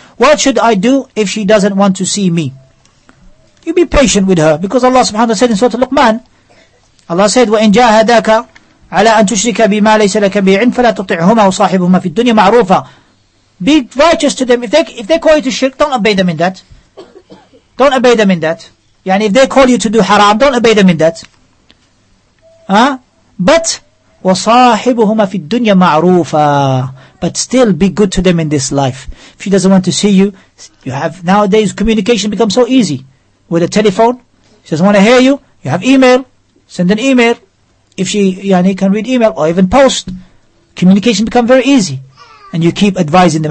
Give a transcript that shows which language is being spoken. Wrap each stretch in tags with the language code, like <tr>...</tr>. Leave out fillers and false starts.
<en>What should I do if she doesn't want to see me? You be patient with her, because Allah subhanahu wa ta'ala said in Surah Luqman, Allah said,</en> <ar>وَإِن جَاهَدَاكَ عَلَىٰ أَن تُشْرِكَ بِمَا لَيْسَ لَكَ بِعِنْ فَلَا تُطِعْهُمَا وَصَاحِبُهُمَا فِي الدُّنْيَا مَعْرُوفًا.</ar> <en>Be righteous to them. If they call you to shirk, don't obey them in that. Don't obey them in that. Yani if they call you to do haram, don't obey them in that. But</en> <ar>وَصَاحِبُهُمَا فِي الدُّنْيَا مَعْرُوفًا.</ar> <en>But still be good to them in this life. If she doesn't want to see you, you have nowadays communication becomes so easy. With a telephone, she doesn't want to hear you, you have email, send an email. If she can read email or even post, communication becomes very easy. And you keep advising them.</en>